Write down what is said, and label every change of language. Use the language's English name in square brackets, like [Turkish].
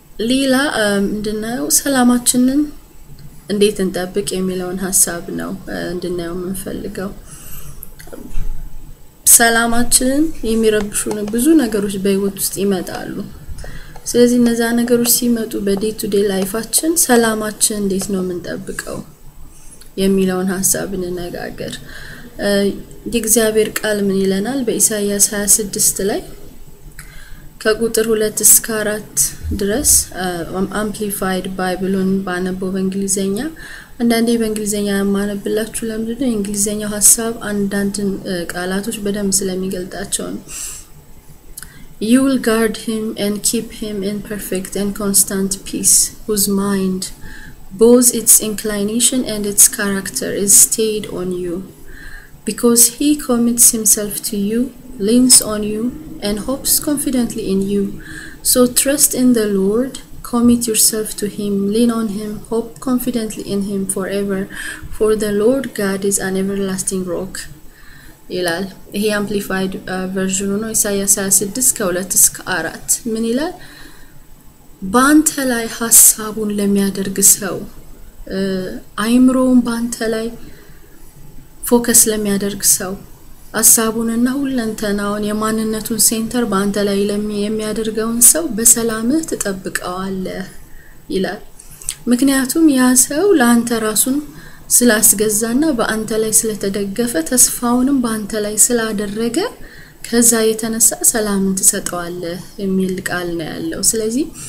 [Amharic] ሌላ እንድናየው ሰላማችንን እንዴት እንጠብቅ የሚለውን ሐሳብ ነው እንድናየው የምንፈልገው። ሰላማችንን የሚረብሹን ብዙ ነገሮች በህይወት ውስጥ ይመጣሉ። ስለዚህ እነዛ ነገሮች ሲመጡ በዴ ቱ ዴ ላይፋችን ሰላማችን እንዴት ነው የምንጠብቀው የሚለውን ሐሳብ እንነጋገር። የእግዚአብሔር ቃል ምን ይለናል? በኢሳይያስ 26 ላይ ከቁጥር 2 እስከ 4 ድረስ አምፕሊፋይድ ባይብሉን ባነበው በእንግሊዘኛ፣ አንዳንዴ በእንግሊዘኛ ማነብላችሁ ለምንድነው? የእንግሊዘኛው ሐሳብ አንዳንድ ቃላቶች በደንብ ስለሚገልጣቸው ነው። [English] You will guard him and keep him in perfect and constant peace, whose mind both its inclination and its character is stayed on you, because he commits himself to you, leans on you, and hopes confidently in you. So trust in the Lord, commit yourself to him, lean on him, hope confidently in him forever, for the Lord God is an everlasting rock. [Amharic] ይላል ይሄ አምፕሊፋይድ ቨርዥኑ ነው። ኢሳይያስ 26 ከ2 እስከ 4 ምን ይላል? ባንተ ላይ ሐሳቡን ለሚያደርግ ሰው፣ አይምሮውን ባንተ ላይ ፎከስ ለሚያደርግ ሰው፣ ሐሳቡንና ሁለንተናውን የማንነቱን ሴንተር ባንተ ላይ የሚያደርገውን ሰው በሰላምህ ትጠብቀዋለህ ይላል። ምክንያቱም ያ ሰው ለአንተ ራሱን ስላስገዛና በአንተ ላይ ስለተደገፈ ተስፋውንም በአንተ ላይ ስላደረገ ከዛ የተነሳ ሰላምን ትሰጠዋለህ የሚል ቃል ነው ያለው። ስለዚህ